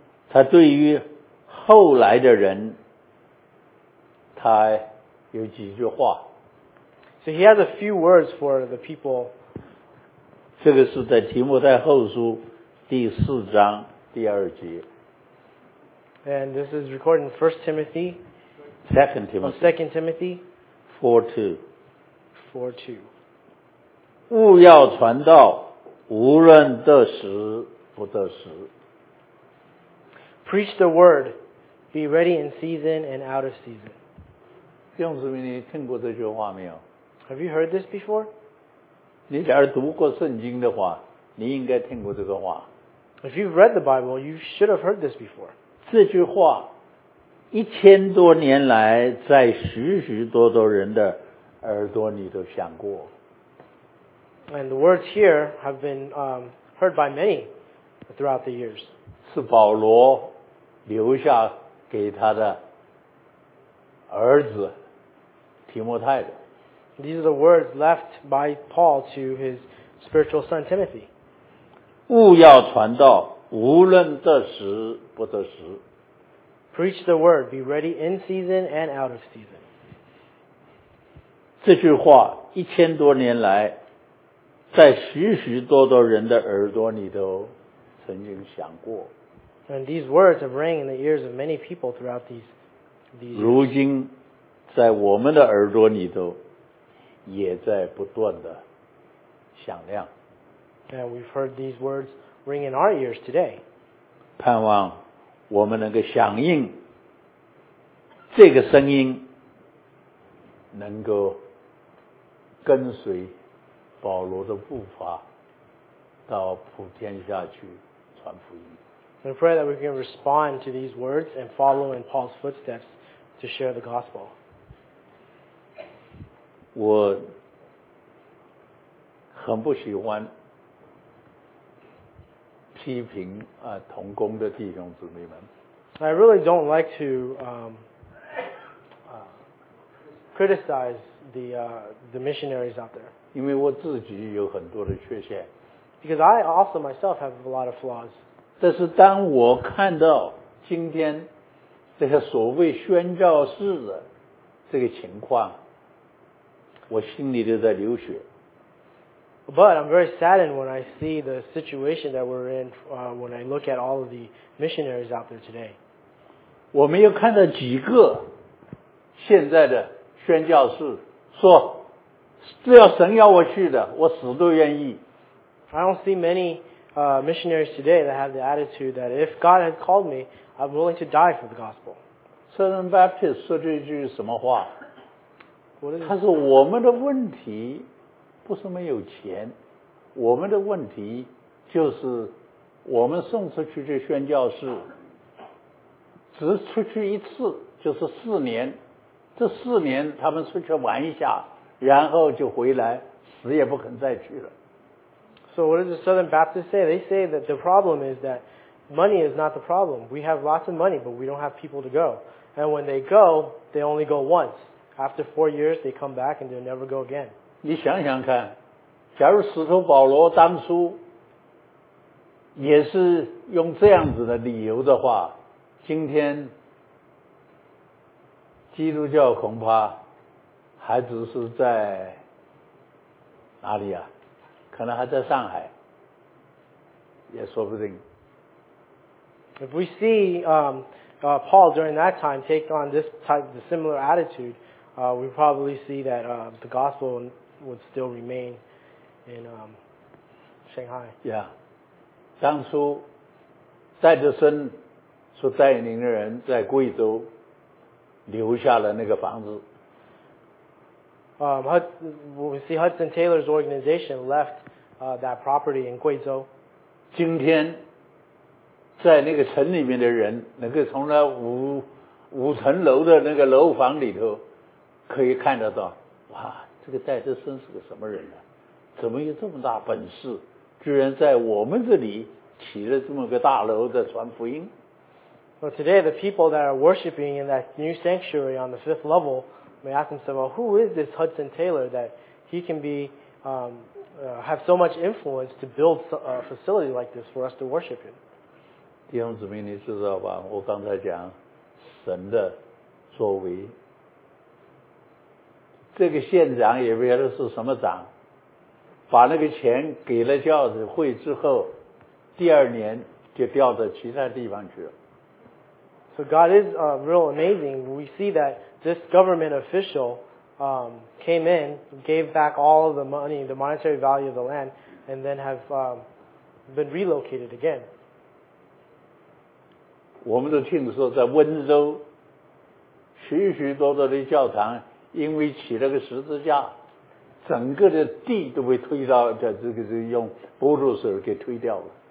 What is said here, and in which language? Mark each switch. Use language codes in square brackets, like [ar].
[zh] 他对于后来的人他有几句话。 [en] So he has a few words for the people. [zh] 这个是在提摩太后书第四章第二节。 [en] And this is recorded in 1 Timothy. 2 Timothy. 2 Timothy. [zh] 4:2. 勿要传道，无论得时不得时。 [en] Preach the word. Be ready in season and out of season. [zh] 弟兄姊妹，你听过这句话没有？ [en] Have you heard this before? [zh] 你假如读过圣经的话，你应该听过这个话。 [en] If you've read the Bible, you should have heard this before. [zh] 这句话一千多年来在许许多多人的耳朵里都响过。 [en] And the words here have been heard by many throughout the years. [zh] 是保罗留下给他的儿子提摩太的。 [en] These are the words left by Paul to his spiritual son Timothy. [zh] 勿要传道，无论得时不得时。 [en] Preach the word, be ready in season and out of season. [zh] 这句话一千多年来，在许许多多人的耳朵里都曾经响过。 [en] And these words have rang in the ears of many people throughout these. [zh] 如今，在我们的耳朵里头，也在不断的响亮。 [en] And we've heard these words ring in our ears today. [zh] 盼望我们能够响应这个声音，能够跟随保罗的步伐到普天下去传福音。 [en] We pray that we can respond to these words and follow in Paul's footsteps to share the gospel. [zh] 我很不喜欢批评同工的弟兄姊妹们。 [en] I really don't like to criticize the missionaries out there. [zh] 因为我自己有很多的缺陷。 [en] Because I also myself have a lot of flaws. [zh] 但是当我看到今天这个所谓宣教士的这个情况，我心里都在流血。 [en] But I'm very saddened when I see the situation that we're in, when I look at all of the missionaries out there today. [zh] 我没有看到几个现在的宣教士说，只要神要我去的，我死都愿意。 [en] I don't see many missionaries today that have the attitude that if God has called me, I'm willing to die for the gospel. [zh] Southern Baptist 说这句是什么话？他说我们的问题不是没有钱，我们的问题就是我们送出去的宣教士只出去一次，就是四年，这四年他们出去玩一下然后就回来，死也不肯再去了。 [en] So what does the Southern Baptist say? They say that the problem is that money is not the problem. We have lots of money, but we don't have people to go. And when they go, they only go once. After 4 years, they come back and they'll never go again. [zh] 你想想看，假如使徒保罗当初也是用这样子的理由的话，今天基督教恐怕还只是在哪里啊？可能还在上海，也说不定。 [en] If we see Paul during that time take on this type, the similar attitude, we probably see that the gospel would still remain in Shanghai. Yeah. [zh] 当初戴德森所带领的人在贵州留下了那个房子。 [en] We see Hudson Taylor's organization left that property in Guizhou. [zh] 今天在那个城里面的人能够从那 五层楼的那个楼房里头可以看得到，哇，这个戴德森是个什么人呢、啊、怎么有这么大本事，居然在我们这里起了这么个大楼的传福音。 [en] Well, today the people that are worshiping in that new sanctuary on the fifth level may ask themselves, well, who is this Hudson Taylor that he can be have so much influence to build a facility like this for us to worship in? [zh] 弟兄姊妹，你知道吧，我刚才讲神的作为，这个县长也不晓得是什么长，把那个钱给了教会之后，第二年就调到其他地方去了。 [en] So God is real amazing. We see that this government official came in, gave back all of the money, the monetary value of the land, and then have been relocated again. [zh] 我们都听说在温州许许多多的教堂因为起了个十字架，整个的地都被推到这个用 bulldozer 给推掉了。